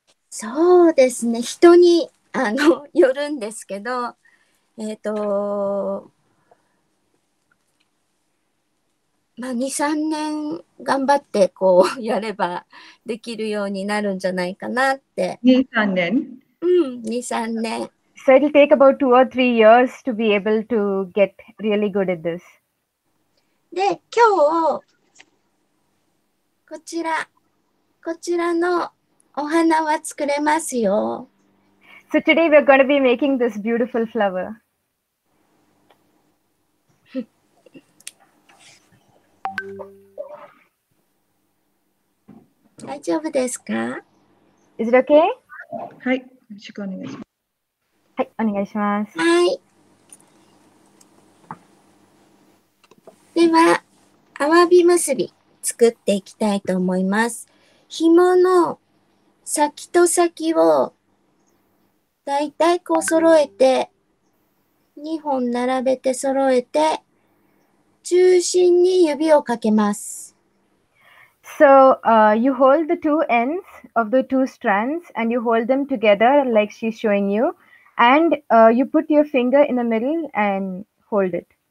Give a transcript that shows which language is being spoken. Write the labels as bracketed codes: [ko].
[ja] そうですね、人によるんですけど、まあ、2、3年頑張ってこうやればできるようになるんじゃないかなって。 2、3年？うん、2、3年。 [en] So it'll take about 2 or 3 years to be able to get really good at this. [ja] で、今日、こちらのお花は作れますよ。 [en] So today we're going to be making this beautiful flower. [ja] 大丈夫ですか? [en] Is it okay? [ja] はい、よろしくお願いします。はい、お願いします。はい。では、あわび結び作っていきたいと思います。紐の先と先をだいたいこう揃えて、2本並べて揃えて、中心に指をかけます。 [en] So, you hold the two ends of the two strands and you hold them together like she's showing you. And you put your finger in the middle and hold it.